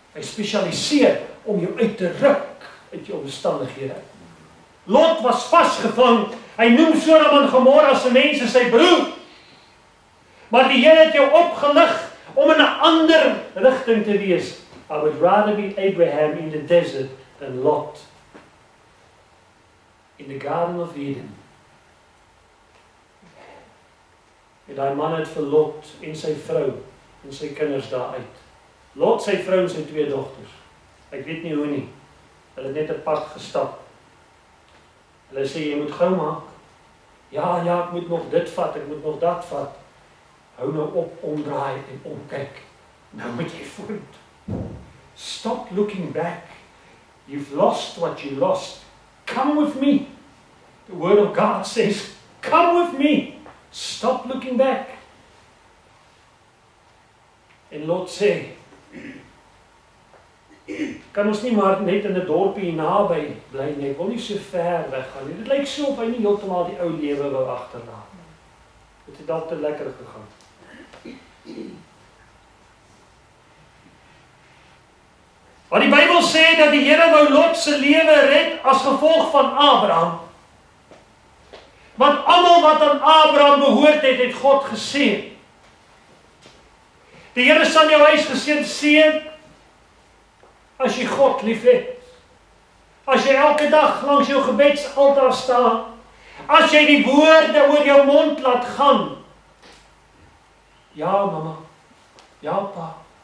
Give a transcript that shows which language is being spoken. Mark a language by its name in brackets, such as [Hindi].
[Afrikaans] Hy spesialiseer om jou uit te ruk uit jou omstandighede. Lot was vasgevang. Hy noem Sodom en Gomorra se mense sy broer. Maar die Here het jou opgelig om in 'n ander rigting te wees. [English] I would rather be Abraham in the desert than Lot in the Garden of Eden. [Afrikaans] En daai man het vir Lot en sy vrou en sy kinders daar uit. Lot, sy vrou en sy twee dogters. Ek weet nie hoe nie. Hulle het net 'n pad gestap. Hulle sê, jy moet gou maak. Ja, ek moet nog dit vat, ek moet nog dat vat. Hou nou op, omdraai en omkyk. Nou moet jy vooruit. [English] Stop looking back. You've lost what you lost. Come with me. The word of God says, come with me. Stop looking back. [Afrikaans] En Lot sê, kan ons nie maar net in 'n dorpie naby bly nie. Ek wil nie so ver weggaan nie. Dit lyk so of hy nie heeltemal die ou lewe wil agterlaat. Dit het al te lekker gegaan. Want die Bybel sê dat die Here wou Lot se lewe red as gevolg van Abraham. Want almal wat aan Abraham behoort het, het God geseën. Die Here sal jou huis geseën seën as jy God liefhet. As jy elke dag langs jou gebedsaltaar staan, as jy die woorde oor jou mond laat gaan. Ja, mama. Ja, pa.